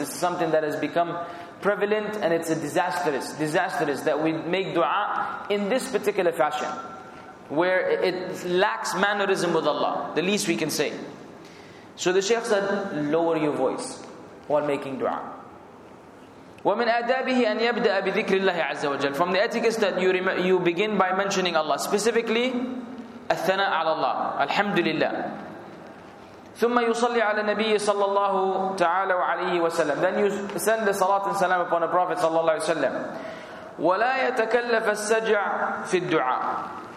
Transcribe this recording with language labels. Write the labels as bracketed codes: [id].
[en] It's something that has become prevalent, and it's a disastrous that we make dua in this particular fashion, where it lacks mannerism with Allah, the least we can say. So the Shaykh said, lower your voice while making dua. [ar] وَمِنْ أَدَابِهِ أَنْ يَبْدَأَ بِذِكْرِ اللَّهِ عَزَّ وَجَلَّ. [en] From the etiquette that you begin by mentioning Allah, specifically [ar] الثناء على الله, الحمد لله. ثم يصلي على النبي صلى الله تعالى عليه وسلم. [en] Then you send the salat and salam upon the Prophet صلى الله عليه وسلم. [ar] ولا يتكلف السجع في الدعاء.